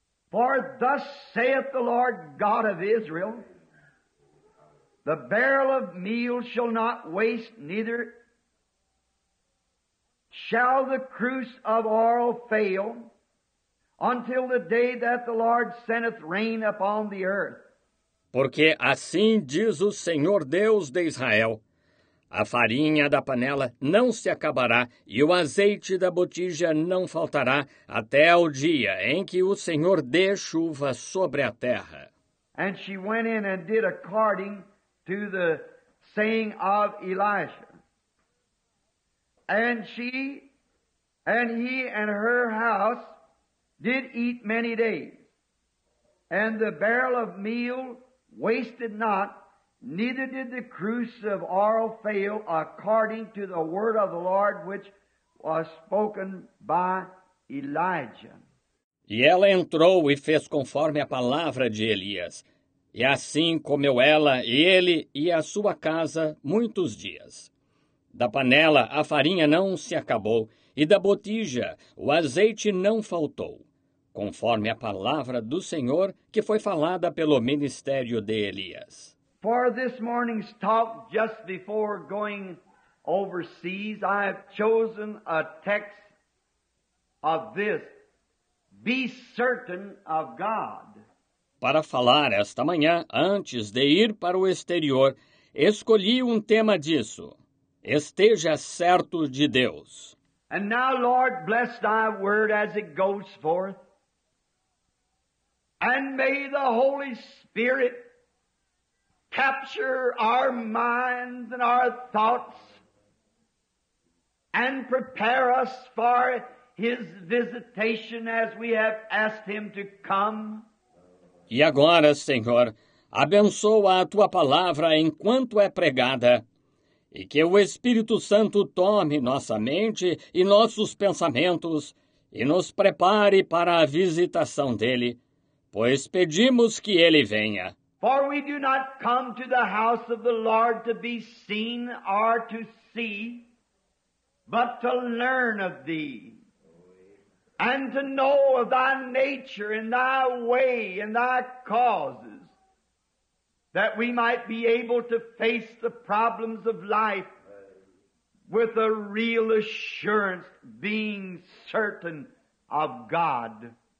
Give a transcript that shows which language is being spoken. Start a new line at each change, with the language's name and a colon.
English: For thus saith the Lord God of Israel, the barrel of meal shall not waste, neither shall the cruse of oil fail, until the day that the Lord sendeth rain upon the earth.
Portuguese: Porque assim diz o Senhor Deus de Israel, a farinha da panela não se acabará e o azeite da botija não faltará até o dia em que o Senhor dê chuva sobre a terra.
English: And she went in and did according to the saying of Elijah. And she and he and her house did eat many days. And the barrel of meal wasted not, neither did the cruse of oil fail according to the word of the Lord which was spoken by Elijah.
Portuguese: E ela entrou e fez conforme a palavra de Elias. E assim comeu ela e ele e a sua casa muitos dias. Da panela a farinha não se acabou e da botija o azeite não faltou, conforme a palavra do Senhor que foi falada pelo ministério de Elias.
English: For this morning's talk, just before going overseas, I have chosen a text of this. Be certain of God.
Portuguese: Para falar esta manhã, antes de ir para o exterior, escolhi um tema disso. Esteja certo de Deus.
English: And now, Lord, bless thy word as it goes forth. And may the Holy Spirit capture our minds and our thoughts and prepare us for his visitation as we have asked him to come.
Portuguese: E agora, Senhor, abençoa a tua palavra enquanto é pregada e que o Espírito Santo tome nossa mente e nossos pensamentos e nos prepare para a visitação dele, pois pedimos que ele venha.
English: For we do not come to the house of the Lord to be seen or to see, but to learn of thee, and to know of thy nature and thy way and thy causes, that we might be able to face the problems of life with a real assurance, being certain of God.